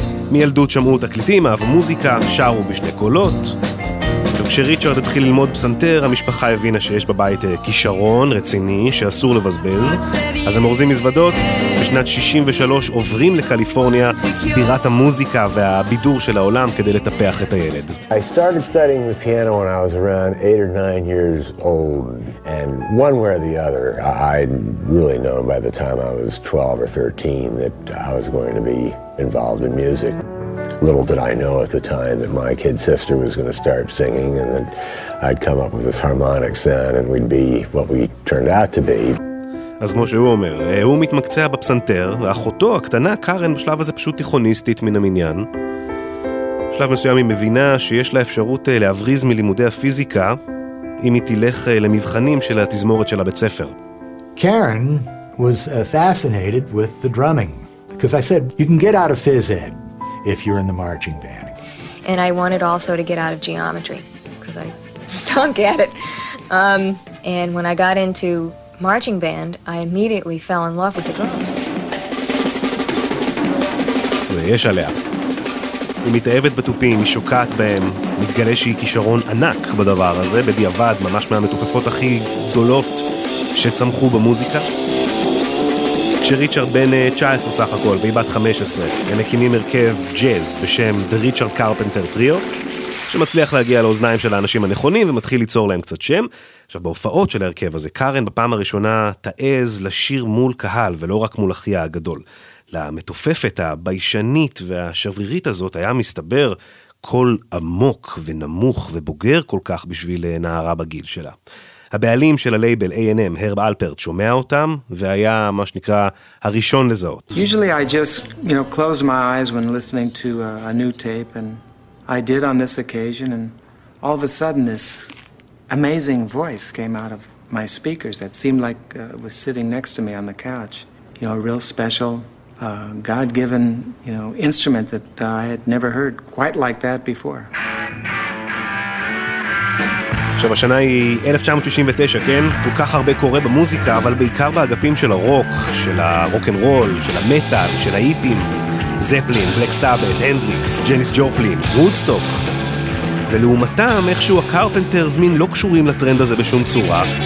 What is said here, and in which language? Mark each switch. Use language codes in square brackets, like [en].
[he] מילדות שמעו תקליטים, אהבו מוזיקה, שרו בשני קולות. וכשריצ'רד התחיל ללמוד פסנתר, המשפחה הבינה שיש בבית כישרון רציני שאסור לבזבז. אז הם אורזים מזוודות, בשנת 63 עוברים לקליפורניה, בירת המוזיקה והבידור של העולם, כדי לטפח את הילד. [en] I started studying the piano when I was around 8 or 9 years old, and one way or the other, I really knew by the time I was 12 or 13 that I was going to be involved in music. Little did I know at the time that my kid sister was going to start singing and that I'd come up with this harmonic sound and we'd be what we turned out to be. [he] אז כמו שהוא אומר, הוא מתמקצע בפסנתר, ואחותו הקטנה, קארן, בשלב הזה פשוט תיכוניסטית מן המניין. בשלב מסוים היא מבינה שיש לה אפשרות להבריז מלימודי הפיזיקה אם היא תלך למבחנים של התזמורת של הבית ספר. [en] קארן was fascinated with the drumming because I said you can get out of phys ed if you're in the marching band. And I wanted also to get out of geometry because I stunk at it. And when I got into marching band, I immediately fell in love with the drums. [he] ויש עליה. היא מתאהבת בתופים, היא שוקעת בהם, מתגלה שהיא כישרון ענק בדבר הזה, בדיעבד, ממש מהמתופפות הכי גדולות שצמחו במוזיקה. כשריצ'רד בן 19 סך הכל, והיא בת 15, הם מקימים הרכב ג'אז בשם The Richard Carpenter Trio, שמצליח להגיע לאוזניים של האנשים הנכונים ומתחיל ליצור להם קצת שם. עכשיו, בהופעות של ההרכב הזה, קארן בפעם הראשונה תעז לשיר מול קהל, ולא רק מול אחיה הגדול. למתופפת הביישנית והשברירית הזאת היה מסתבר קול עמוק ונמוך ובוגר כל כך בשביל נערה בגיל שלה. הבעלים של הלייבל A&M, הרב אלפרט, שומע אותם, והיה מה שנקרא הראשון לזהות. [en] Usually I just, you know, close my eyes when listening to a new tape, and I did on this occasion, and all of a sudden this amazing voice came out of my speakers that seemed like was sitting next to me on the couch. You know, a real special, God-given, you know, instrument that I had never heard quite like that before. [he] עכשיו, השנה היא 1969, כן? כל כך הרבה קורה במוזיקה, אבל בעיקר באגפים של הרוק, של הרוק'נ'רול, של המטל, של ההיפים, זפלין, בלק סאבת, הנדריקס, ג'ניס ג'ופלין, וודסטוק. ולעומתם, איכשהו הקרפנטרס מין לא קשורים לטרנד הזה בשום צורה.